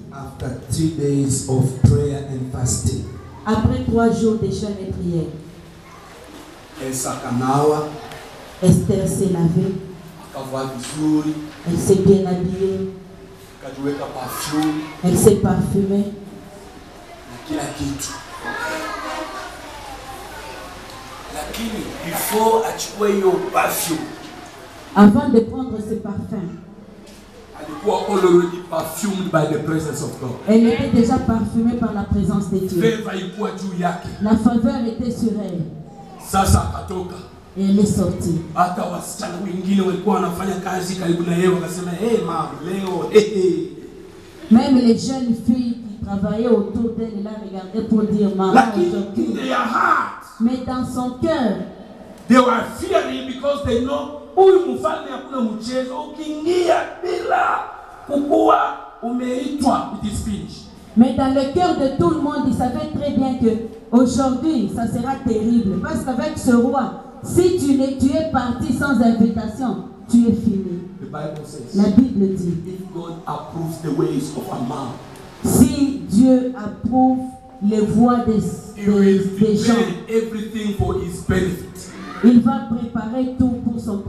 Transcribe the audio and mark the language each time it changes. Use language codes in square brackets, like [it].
[en] After 3 days of prayer and fasting. [fr] Après 3 jours de jeûne et prière. [sw] Elsa kanawa. [fr] Esther s'est lavée. [sw] Akavua vizuri. [fr] Elle s'est bien habillée. [sw] Akajiweka parfum. [fr] Elle s'est parfumée. [sw] Na kila kitu. Lakini before achukue hiyo parfum. [fr] Avant de prendre ce parfum. [en] Already perfumed by the presence of God. [fr] Elle était déjà parfumée par la présence de Dieu. [sw] Favor juu yake. [fr] La faveur était sur elle. [sw] Sasa akatoka. [fr] Elle est sortie. [sw] Hata wasichana wengine walikuwa wanafanya kazi karibu na yeye wakasema, "Hey mom, leo." Hey, hey. [fr] Même les jeunes filles qui travaillaient autour d'elle la regardaient pour dire, "Maman, aujourd'hui." Mais dans son cœur, [en] they were fearing because they know [sw] huyu mfalme hakuna mchezo ukiingia bila kukua umeitwa [en] it is finished. [fr] Mais dans le cœur de tout le monde, ils savaient très bien que aujourd'hui ça sera terrible parce qu'avec ce roi, si tu es parti sans invitation, tu es fini. [en] The Bible says, [fr] la Bible dit, [en] if God approves the ways of a man, [fr] si Dieu approuve les voies des gens, [en] everything for his benefit. [fr] Il va préparer tout pour son